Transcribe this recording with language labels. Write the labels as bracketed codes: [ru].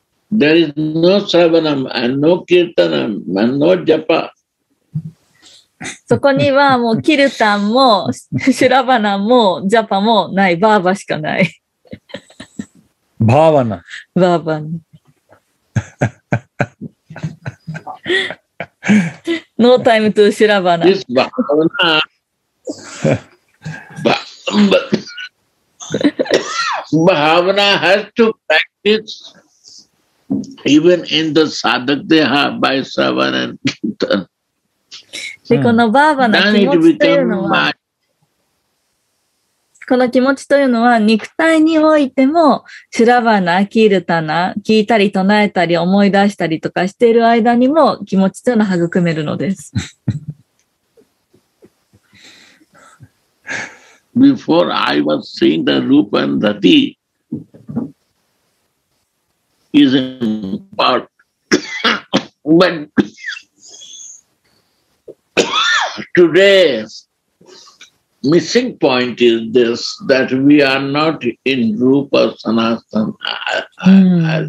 [en] There is no shravanam and no kirtanam and no japa. [ja] そこにはもうキルタンもシュラバナもジャパもない、バーバしかない。 [sa] バーバナ。バーバナ。 [en] ノータイムトゥシュラバナ。 This バーバナ。 [sa] バーバナ。 [en] バーバナ has to practice even in the sadhak deha by shravan and kirtan. [ja] でこのバーバの気持ちというのは、この気持ちというのは肉体においてもシュラバナ、キールタナ、聞いたり唱えたり思い出したりとかしている間にも気持ちというのを育めるのです。 [en] Before I was seeing the Rupa and Dati is in part when today's missing point is this, that we are not in Rupa Sanatana.